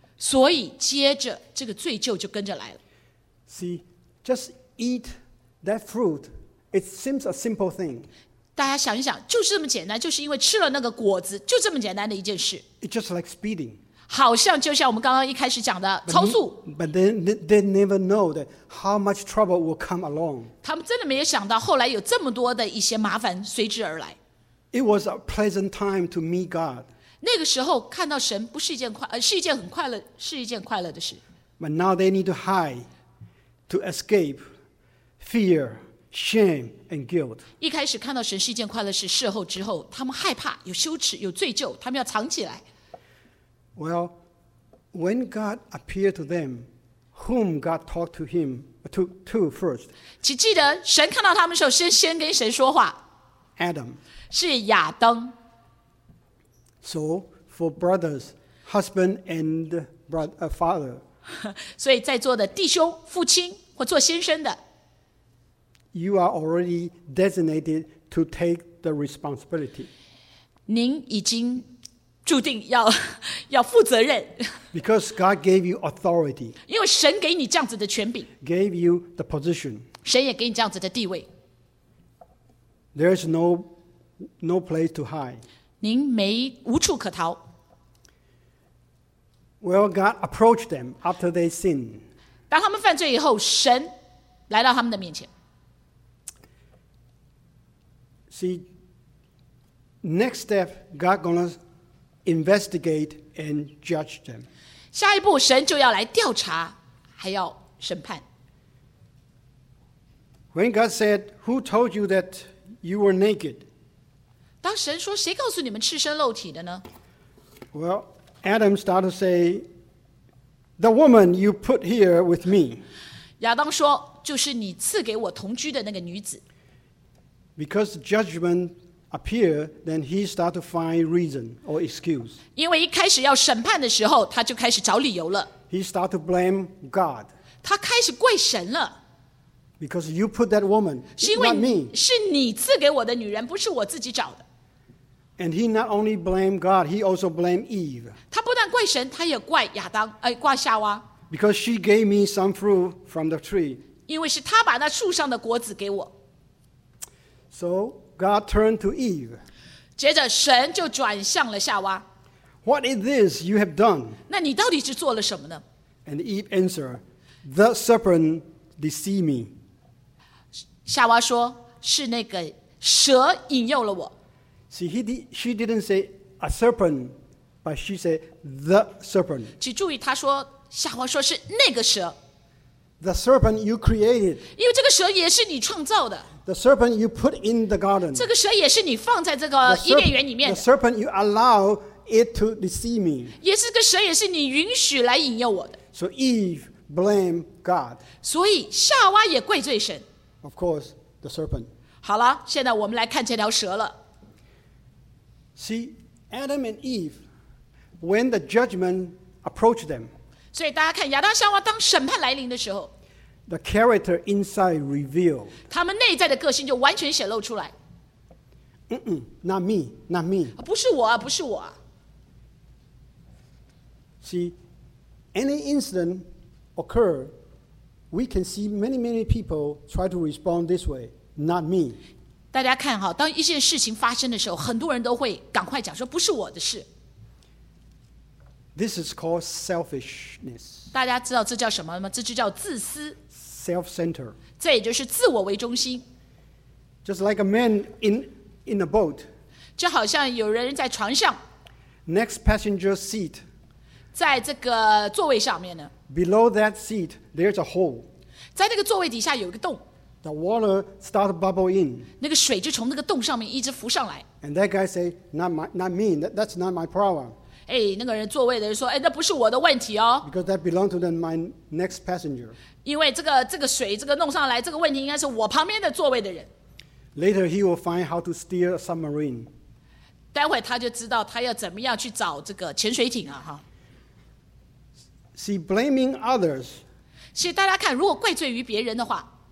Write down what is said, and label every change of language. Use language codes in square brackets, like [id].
[zh] 所以接着这个罪疚就跟着来了。 [en] See, just eat that fruit. It seems a simple thing. [zh] 大家想一想, 就是这么简单, 就是因为吃了那个果子, 就这么简单的一件事。 [en] It's just like speeding. [zh] 好像就像我们刚刚一开始讲的, 超速。 [en] But they never know that how much trouble will come along. [zh] 他们真的没有想到后来有这么多的一些麻烦随之而来。 [en] It was a pleasant time to meet God. [zh] 那个时候看到神不是一件快乐的事。 [en] But now they need to hide to escape fear, shame, and guilt. [zh] 一开始看到神是一件快乐事,事后之后, 他们害怕,有羞耻,有罪疚, 他们要藏起来。 [en] Well, when God appeared to them, whom God talked to him to first? [zh] 记得神看到他们的时候先跟谁说话? [en] Adam. [zh] 是亚当。 [en] So, for brothers, husband and brother, father. [zh] 所以在座的弟兄、父亲或做先生的, [en] you are already designated to take the responsibility. [zh] 您已经 注定要负责任。 [en] Because God gave you authority. [zh] 因为神给你这样子的权柄。 [en] Gave you the position. [zh] 神也给你这样子的地位。 [en] There is no place to hide. [zh] 您无处可逃。 [en] Well, God approached them after they sinned. [zh] 当他们犯罪以后, 神来到他们的面前。 [en] See, next step, God gonna investigate and judge them. [zh] 下一步神就要来调查，还要审判。 [en] When God said, "Who told you that you were naked?" [zh] 当神说，谁告诉你们赤身露体的呢？ [en] Well, Adam started to say, "The woman you put here with me." [zh] 亚当说，就是你赐给我同居的那个女子。 [en] Because judgment appear, then he start to find reason or excuse. [zh] 因为一开始要审判的时候, 他就开始找理由了。 [en] He start to blame God. [zh] 他开始怪神了。 [en] Because you put that woman, not me. [zh] 是你赐给我的女人, 不是我自己找的。 [en] And he not only blame God, he also blame Eve. [zh] 他不但怪神, 他也怪亚当, 哎, 怪夏娃。 [en] Because she gave me some fruit from the tree. [zh] 因为是他把那树上的果子给我。 [en] So, God turned to Eve. [zh] 接着神就转向了夏娃。 [en] What is this you have done? [zh] 那你到底是做了什么呢? [en] And Eve answered, "The serpent deceived me." [zh] 夏娃说, 是那个蛇引诱了我。 [en] See, she didn't say, "A serpent But she said the serpent. [zh] 请注意，他说夏娃说是那个蛇。 [en] The serpent you created. [zh] 因为这个蛇也是你创造的。 [en] The serpent you put in the garden. [zh] 这个蛇也是你放在这个伊甸园里面的。 [en] The serpent you allow it to deceive me. [zh] 也是个蛇，也是你允许来引诱我的。 [en] So Eve blamed God. [zh] 所以夏娃也怪罪神。 [en] Of course, the serpent. [zh] 好了，现在我们来看这条蛇了。 [en] See, Adam and Eve, when the judgment approached them. [zh] 所以大家看，亚当夏娃当审判来临的时候。 [en] The character inside revealed. [zh] 他们内在的个性就完全显露出来。 [en] Mm-mm, not me, not me. [zh] 不是我啊，不是我啊。 [en] See, any incident occur, we can see many, many people try to respond this way, not me. [zh] 大家看哈，当一件事情发生的时候，很多人都会赶快讲说不是我的事。 [en] This is called selfishness. [zh] 大家知道这叫什么吗？这就叫自私。 [en] Self-centered. [zh] 这也就是自我为中心。 [en] Just like a man in a boat. [zh] 就好像有人在船上。 [en] Next passenger seat. [zh] 在这个座位上面呢。 [en] Below that seat, there's a hole. [zh] 在那个座位底下有一个洞。 [en] The water starts bubble in. [zh] 那个水就从那个洞上面一直浮上来。 [en] And that guy say, not me. That's not my problem. [zh] 哎，那个人座位的人说：“哎，那不是我的问题哦。” [en] Because that belongs to my next passenger. [zh] 因为这个水这个弄上来，这个问题应该是我旁边的座位的人。 [en] Later he will find how to steer a submarine. [zh] 待会他就知道他要怎么样去找这个潜水艇啊！哈。 [en] See blaming others. [zh] 所以大家看，如果怪罪于别人的话